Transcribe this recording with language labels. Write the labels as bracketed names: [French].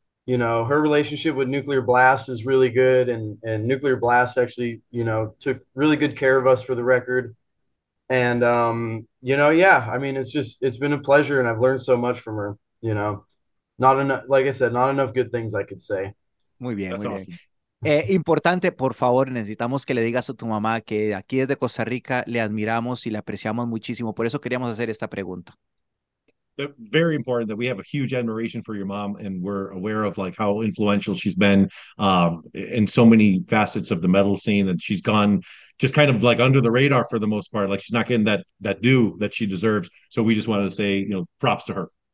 [English] You know, her relationship with Nuclear Blast is really good. And Nuclear Blast actually, you know, took really good care of us, for the record. And, you know, yeah, I mean, it's been a pleasure, and I've learned so much from her. You know, not enough, like I said, not enough good things I could say. [Spanish] Muy bien, [English] that's [Spanish] muy [English] awesome. [Spanish] Bien. Importante, por favor, necesitamos que le digas a tu mamá que aquí desde Costa Rica le admiramos y le apreciamos muchísimo. Por eso queríamos hacer esta pregunta. [English] Very important that we have a huge admiration for your mom, and we're aware of like how influential she's been in so many facets of the metal scene, and she's gone just kind of like under the radar for the most part. Like she's not getting that due that she deserves. So we just wanted to say, you know, props to her.